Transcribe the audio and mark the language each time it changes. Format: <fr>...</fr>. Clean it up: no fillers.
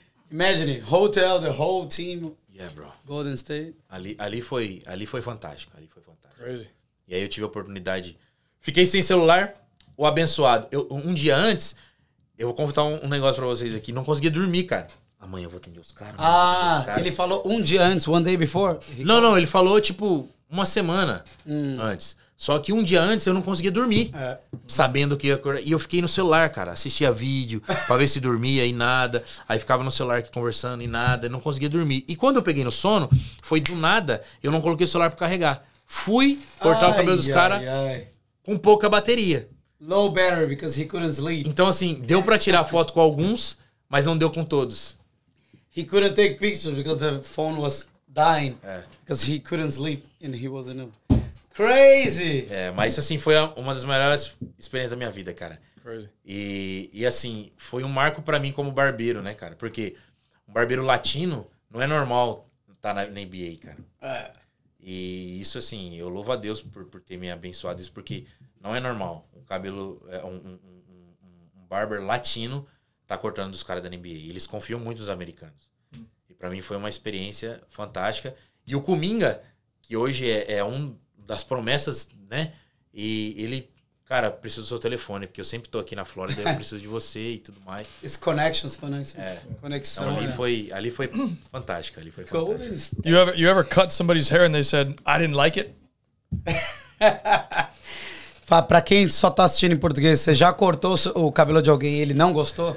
<en>Imagine, hotel, the whole team. Yeah, bro. Golden State.</en> <pt>Ali foi fantástico. Ali foi fantástico.</pt> <en>Crazy.</en> <pt>E aí eu tive a oportunidade. Fiquei sem celular, o abençoado. Um dia antes... Eu vou contar um negócio pra vocês aqui. Não conseguia dormir, cara. Amanhã eu vou atender os caras. Ele falou um dia antes,</pt> <en>one day before?</en> <pt>Não, ele falou tipo uma semana antes. Só que um dia antes eu não conseguia dormir. Sabendo que ia acordar. E eu fiquei no celular, cara. Assistia vídeo pra ver se dormia e nada. Aí ficava no celular aqui conversando e nada. Não conseguia dormir. E quando eu peguei no sono, foi do nada. Eu não coloquei o celular pra carregar. Fui cortar o cabelo dos caras com pouca bateria.</pt> <en>Low battery, because he couldn't sleep.</en> <pt>Então, assim, deu pra tirar foto com alguns, mas não deu com todos.</pt> <en>He couldn't take pictures because the phone was dying. Because he couldn't sleep and he wasn't... Crazy!</en> <pt>Mas isso, assim, foi uma das maiores experiências da minha vida, cara.</pt> <en>Crazy.</en> <pt>E assim, foi um marco pra mim como barbeiro, né, cara? Porque um barbeiro latino não é normal estar na NBA, cara. E isso, assim, eu louvo a Deus por ter me abençoado isso, porque não é normal. Cabelo, um barber latino tá cortando dos caras da NBA. Eles confiam muito nos americanos. E pra mim foi uma experiência fantástica. E o Kuminga, que hoje é um das promessas, né? E ele, cara, preciso do seu telefone, porque eu sempre tô aqui na Flórida, eu preciso de você e tudo mais.</pt> <en>It's connections.</en> <pt>Então, ali foi fantástica. Ali foi fantástica.</pt> <en>You ever cut somebody's hair and they said, I didn't like it?</en> <pt>Pra quem só tá assistindo em português, você já cortou o cabelo de alguém e ele não gostou?</pt>